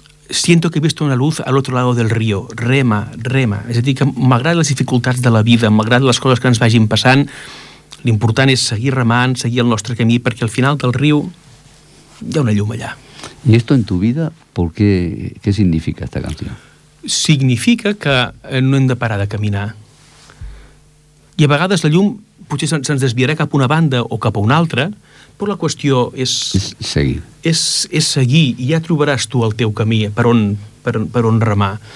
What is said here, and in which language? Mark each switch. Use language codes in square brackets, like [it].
[es] Siento que he visto una luz al otro lado del río. Rema, rema. [ca] És a dir, que malgrat les dificultats de la vida, malgrat les coses que ens vagin passant, l'important és seguir remant, seguir el nostre camí, perquè al final del riu hi ha una llum allà. [es] ¿Y esto en tu vida, por qué, qué significa esta canción? [ca] Significa que no hem de parar de caminar. I a vegades la llum potser se'ns desviarà cap a una banda o cap a una altra, però la qüestió és... És seguir. És seguir, i ja trobaràs tu el teu camí, per on remar.